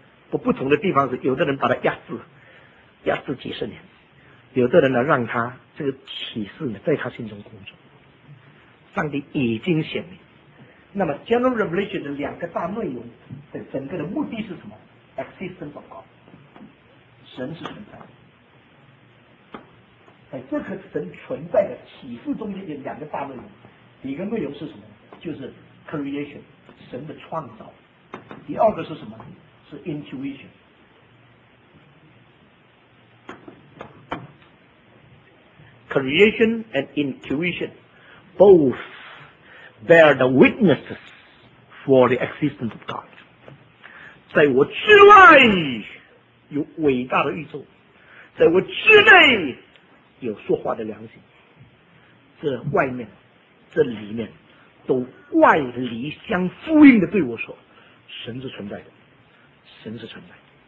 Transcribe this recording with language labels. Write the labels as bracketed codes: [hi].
[zh] 不同的地方是有的人把它压制，压制几十年，有的人呢让他这个启示呢在他心中工作。上帝已经显明。那么 [en] General Revelation [zh] 的两个大内容的整个的目的是什么？ [en] Existence of God， [zh] 神是存在的。在这个神存在的启示中间的两个大内容，第一个内容是什么？就是 Creation， 神的创造。第二个是什么？是 Intuition。 [en] Creation and intuition both bear the witnesses for the existence of God. [zh] 在我之外有伟大的宇宙，在我之内有说话的良心，这外面这里面都外离相呼应的对我说，神是存在的，神是存在的。